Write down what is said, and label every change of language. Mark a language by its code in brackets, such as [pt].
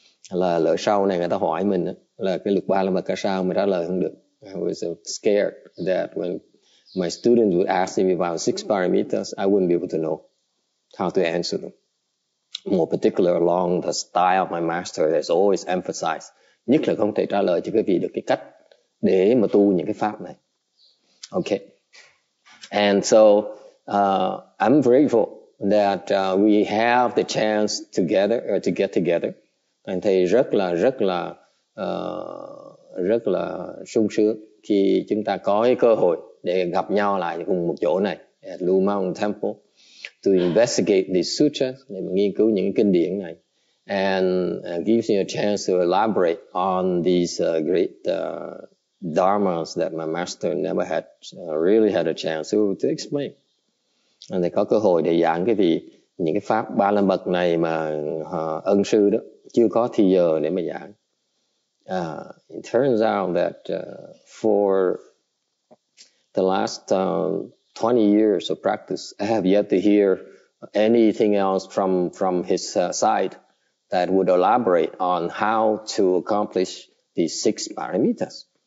[vi] Là lỡ sau này người ta hỏi mình là cái lục ba la mật ca sao mình trả lời không được. [en] I was scared that when my students would ask me about six paramitas, I wouldn't be able to know how to answer them. More particular along the style of my master that's always emphasized. [vi] Nhất là không thể trả lời cho quý vị được cái cách để mà tu những cái pháp này. [en] Okay. And so, I'm grateful that we have the chance together to get together. And [vi] thầy rất là sung sướng khi chúng ta có cái cơ hội để gặp nhau lại cùng một chỗ này [en] at Lu Mong Temple to investigate the sutras, [vi] để nghiên cứu những kinh điển này, [en] and gives me a chance to elaborate on these great dharmas that my master never had really had a chance to explain. [vi] And thầy có cơ hội để giảng cái gì những cái pháp ba la mật này mà ân sư đó chưa có thì giờ để mà giảng. [en] It turns out that for the last 20 years of practice, I have yet to hear anything else from his side that would elaborate on how to accomplish the six paramitas.